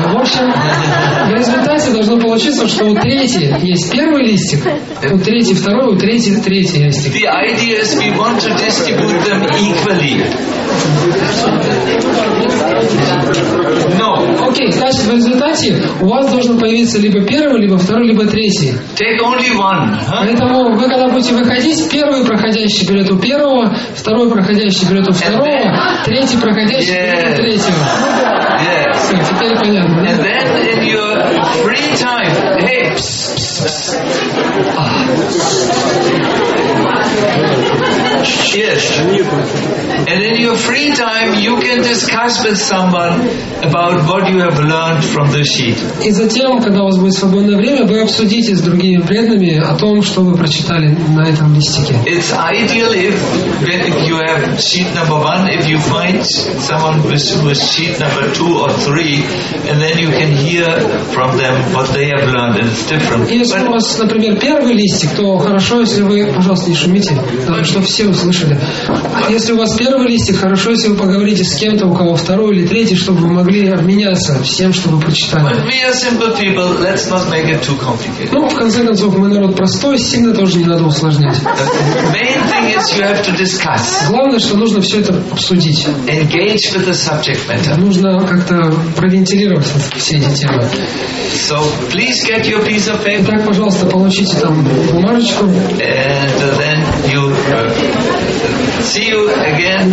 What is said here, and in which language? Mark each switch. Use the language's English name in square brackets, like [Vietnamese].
[Russian] В общем, в результате должно получиться, что у третьей есть первый листик, у третьей второй, у третьей третий листик. [English] The idea is we want to distribute them equally. No. [Russian] Окей, значит, в результате у вас должен появиться либо первый, либо второй, либо третий. [English] Take only one. [Russian] Поэтому вы, когда будете выходить, первый проходящий берет у первого, второй проходящий берет у второго, третий проходящий берет у третьего. [English] Yes. [Russian] Все, теперь понятно. [English] And then in your free time, hey, Yes. And in your free time, you can discuss with someone about what you have learned from the sheet. [Russian] И затем, когда у вас будет свободное время, вы обсудите с другими преданными о том, что вы прочитали на этом листике. [English] It's ideal if you have sheet number one, if you find someone with sheet number two or three, and then you can hear from them what they have learned, and it's different. [Russian] Если у вас, например, первый листик, то хорошо, если вы, пожалуйста, не шумите, чтобы все услышали. Если у вас первый листик, хорошо, если вы поговорите с кем-то, у кого второй или третий, чтобы вы могли обменяться всем, что вы прочитали. [English] We are simple people, let's not make it too complicated. [Russian] Ну, в конце концов, мы народ простой, сильно тоже не надо усложнять. [English] The main thing is you have to discuss. [Russian] Главное, что нужно все это обсудить. [English] Engage with the subject matter. [Russian] Нужно как-то провентилировать все эти темы. [English] So, please get your piece of paper. [Russian] Итак, пожалуйста, получите там бумажечку. [English] And then you see you again.